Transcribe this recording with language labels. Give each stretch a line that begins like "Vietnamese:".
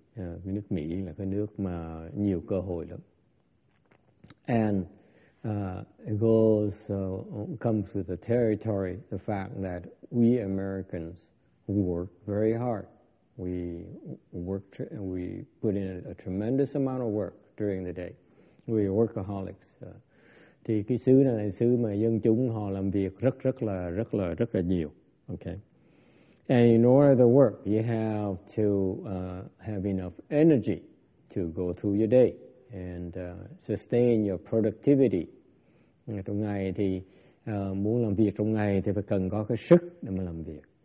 Vietnamese: Cái nước Mỹ là cái nước mà nhiều cơ hội lắm.
English: And it goes comes with the territory, the fact that we Americans work very hard. We work, we put in a tremendous amount of work during the day. We are workaholics.
Vietnamese: Thì cái xứ này là xứ mà dân chúng họ làm việc rất là nhiều.
English: Okay. And in order to work, you have to have enough energy to go through your day and sustain your productivity.
Vietnamese: Trong ngày thì muốn làm việc trong ngày thì phải cần có cái sức để mà làm việc.